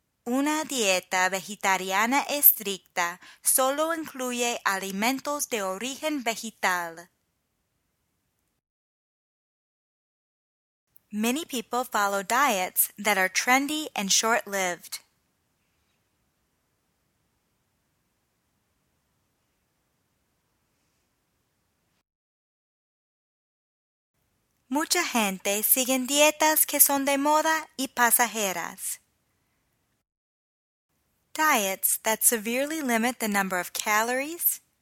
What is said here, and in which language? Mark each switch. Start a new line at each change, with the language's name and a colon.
Spanish: Una dieta vegetariana estricta solo incluye alimentos de origen vegetal.
English: Many people follow diets that are trendy and short-lived.
Spanish: Mucha gente sigue dietas que son de moda y pasajeras.
English: Diets that severely limit the number of calories.